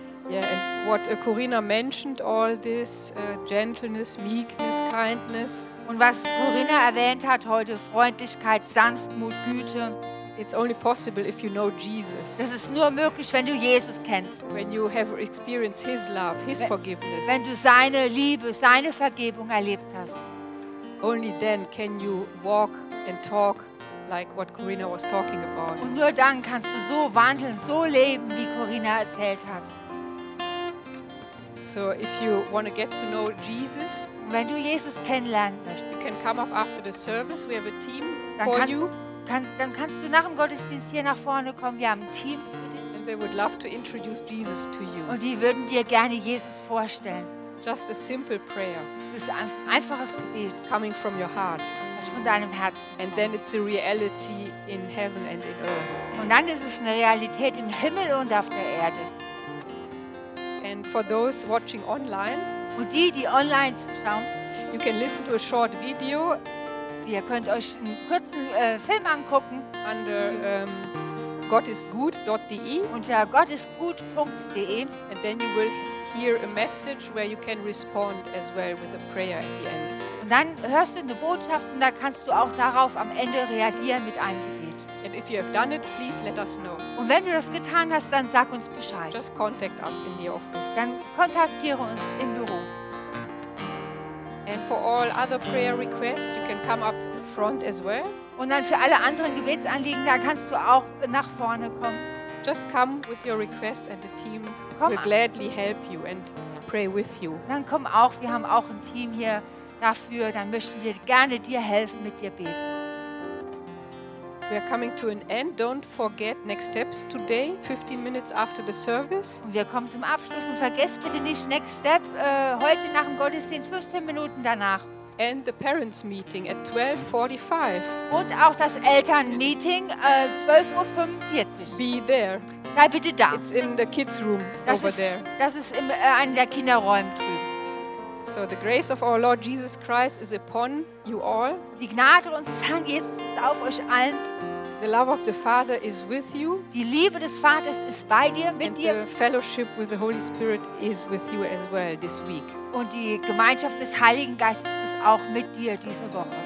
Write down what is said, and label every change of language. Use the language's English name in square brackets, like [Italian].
[English] Yeah, and what Corina mentioned, all this gentleness, meekness, kindness. [German] Und was Corina erwähnt hat heute, Freundlichkeit, Sanftmut, Güte. [English] It's only possible if you know Jesus. [German] Das ist nur möglich, wenn du Jesus kennst. [English] When you have experienced his love, his forgiveness. [German] Wenn du seine Liebe, seine Vergebung erlebt hast. [English] Only then can you walk and talk like what Corinna was talking about. [German] Und nur dann kannst du so wandeln, so leben, wie Corinna erzählt hat. [English] So if you want to get to know Jesus, [German] wenn du Jesus kennenlernen möchtest, [English] you can come up after the service. We have a team for you. [German] Dann kannst du nach dem Gottesdienst hier nach vorne kommen. Wir haben ein Team für dich. [English] And they would love to introduce Jesus to you. [German] Und die würden dir gerne Jesus vorstellen. [English] Just a simple prayer. [German] Es ist ein einfaches Gebet. [English] Coming from your heart. [German] Das von deinem Herzen. [English] And then it's a reality in heaven and in earth. [German] Und dann ist es eine Realität im Himmel und auf der Erde. [English] And for those watching online, [German] und die online zuschauen, [English] you can listen to a short video. [German] Ihr könnt euch einen kurzen Film angucken [English] under gottisgut.de, [German] unter gottisgut.de, [English] and then you will hear a message where you can respond as well with a prayer at the end. [German] Und dann hörst du eine Botschaft und da kannst du auch darauf am Ende reagieren mit einem Gebet. [English] And if you have done it, please let us know. [German] Und wenn du das getan hast, dann sag uns Bescheid. [English] Just contact us in the office. [German] Dann kontaktiere uns im Büro. [English] And for all other prayer requests, you can come up front as well. [German] Und dann für alle anderen Gebetsanliegen, da kannst du auch nach vorne kommen. [English] Just come with your requests and the team will gladly help you and pray with you. [German] Dann komm auch, wir haben auch ein Team hier dafür, dann möchten wir gerne dir helfen, mit dir beten. [English] We are coming to an end. Don't forget next steps today, 15 minutes after the service. [German] Wir kommen zum Abschluss und vergesst bitte nicht next step heute nach dem Gottesdienst, 15 Minuten danach. [English] And the parents meeting at 12:45. [German] Und auch das Elternmeeting 12:45. [English] Be there. [German] Sei bitte da. [English] It's in the kids room [German] das [English] over [German] ist, [English] there. [German] Das ist in einem der Kinderräume drüben. [English] So the grace of our Lord Jesus Christ is upon you all. [German] Die Gnade unseres Herrn Jesus ist auf euch allen. [English] The love of the Father is with you. [German] Die Liebe des Vaters ist bei dir, mit [English] and [German] dir. [English] And the fellowship with the Holy Spirit is with you as well this week. [German] Und die Gemeinschaft des Heiligen Geistes ist auch mit dir diese Woche.